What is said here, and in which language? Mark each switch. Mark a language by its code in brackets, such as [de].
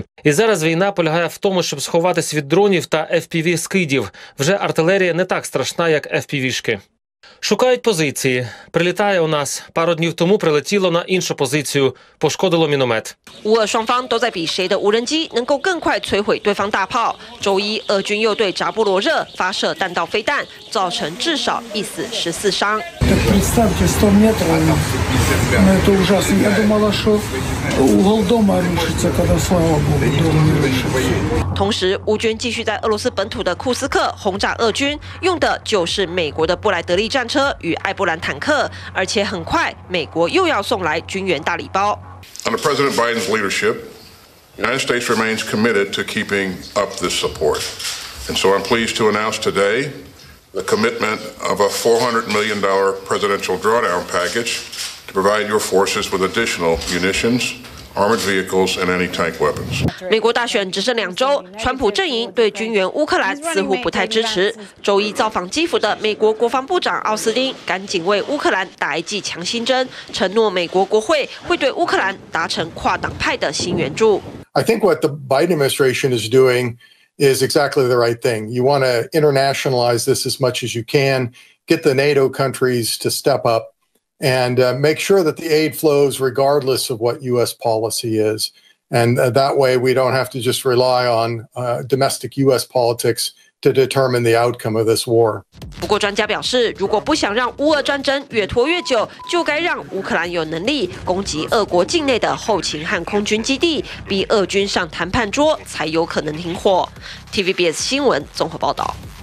[uk] І зараз війна полягає в тому, щоб сховатись від дронів та FPV-скидів. Вже артилерія не так страшна, як FPV-шки. Шукають позиції. Прилітає у нас. Пару днів тому прилетіло на іншу позицію. Пошкодило міномет. [zh] 乌俄双方都在比谁的无人机能够更快摧毁对方大炮。周一，俄军又对扎波罗热发射弹道飞弹，造成至少一死14伤。 [ru] Представьте, 100 метров, ну это ужасно. Я думала, что угол дома рушится, когда, слава богу, дом не рушится. [zh] 同时，乌军继续在俄罗斯本土的库斯克轰炸俄军，用的就是美国的布莱德利战车与艾伯兰坦克，而且很快，美国又要送来军援大礼包。 [en] Under President Biden's leadership, United States remains committed to keeping up this support, and so I'm pleased to announce today. The commitment of a $400 million presidential drawdown package to provide your forces with additional munitions, armored vehicles, and anti-tank weapons. [zh] 美国大选只剩两周，川普阵营对军援乌克兰似乎不太支持。周一造访基辅的美国国防部长奥斯汀赶紧为乌克兰打一剂强心针，承诺美国国会会对乌克兰达成跨党派的新援助。 [en] I think what the Biden administration is doing. Is exactly the right thing. You want to internationalize this as much as you can, get the NATO countries to step up and make sure that the aid flows regardless of what US policy is. And that way we don't have to just rely on domestic US politics to determine the outcome of this war. [zh] 不过专家表示，如果不想让乌俄战争越拖越久，就该让乌克兰有能力攻击俄国境内的后勤和空军基地，逼俄军上谈判桌，才有可能停火。 TVBS 新闻综合报道。